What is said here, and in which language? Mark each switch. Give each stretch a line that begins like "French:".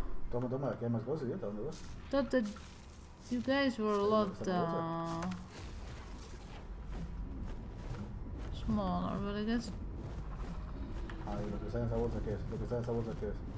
Spanish: Toma, toma, aquí hay más cosas y ahorita, ¿dónde vas?
English: You guys were a lot smaller, but I guess.
Spanish: Ay, lo que está en esa bolsa, ¿qué es? Lo que está en esa bolsa, ¿qué es?